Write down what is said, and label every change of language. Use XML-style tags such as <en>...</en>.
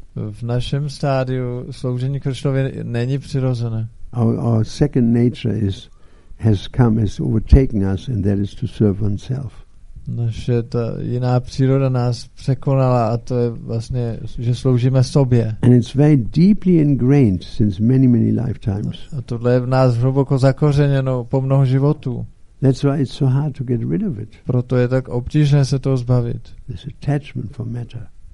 <cs>V našem stádiu sloužení Kršnovi není přirozené.</cs> <en>Our second nature has overtaken us, and that is to serve oneself.</en> <cs>Naše ta jiná příroda nás překonala a to je vlastně, že sloužíme sobě.</cs> <en>And it's very deeply ingrained since many, many lifetimes.</en> <cs>A tohle je v nás hluboko zakořeněno po mnoho životů.</cs> <en>That's why it's so hard to get rid of it.</en> <cs>Proto je tak obtížné se toho zbavit.</cs> <en>This attachment for matter.</en>